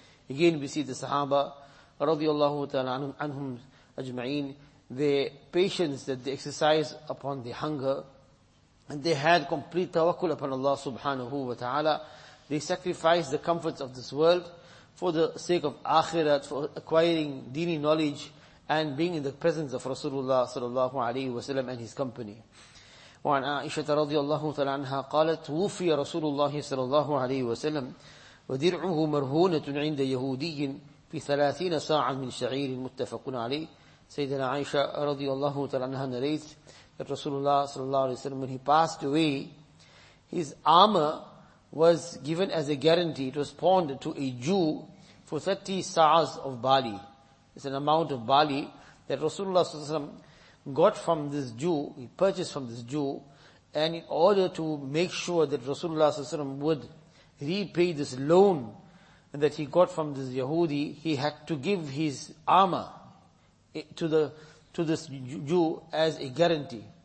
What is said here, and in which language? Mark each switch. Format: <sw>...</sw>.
<en>Again, we see the Sahaba radiallahu ta'ala anhum ajma'in, their patience that they exercise upon the hunger, and they had complete tawakkul upon Allah subhanahu wa ta'ala. They sacrificed the comforts of this world for the sake of akhirat, for acquiring dini knowledge, and being in the presence of Rasulullah sallallahu alayhi wa sallam and his company.</en> <ar>وعن عائشة رضي الله تعالى عنها قالت وفي رسول الله صلى الله عليه وسلم ودرعه مرهونة عند يهودي في 30 ساعة من شعير متفق عليه. سيدنا عائشة رضي الله تعالى عنها</ar> <en>narrates that Rasulullah صلى الله عليه وسلم, when he passed away, his armor was given as a guarantee. It was pawned to a Jew for 30 sa'as of barley. It's an amount of barley that Rasulullah got from this Jew, he purchased from this Jew, and in order to make sure that Rasulullah would repay this loan that he got from this Yahudi, he had to give his armor to this Jew as a guarantee.</en>